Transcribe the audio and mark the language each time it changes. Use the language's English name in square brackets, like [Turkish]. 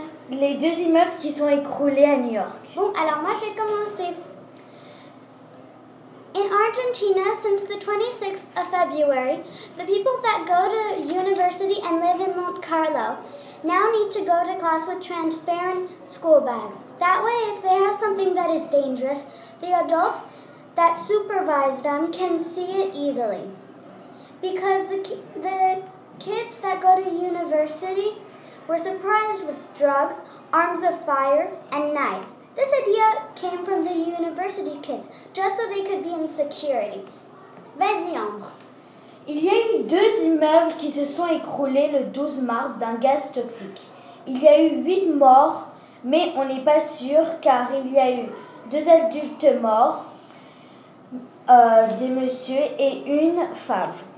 [French] les deux immeubles qui sont écroulés à New York. Bon alors moi je vais commencer. [English] In Argentina, since the 26th of February, the people that go to university and live in Monte Carlo now need to go to class with transparent school bags. That way, if they have something that is dangerous, the adults that supervise them can see it easily. Because the kids that go to university were surprised with drugs, arms of fire, and knives. This idea came from the university kids, just so they could be in security. [French] Vas-y, Ambre. Il y a eu deux immeubles qui se sont écroulés le 12 mars d'un gaz toxique. Il y a eu 8 morts, mais on n'est pas sûr car il y a eu 2 adultes morts, des messieurs et une femme.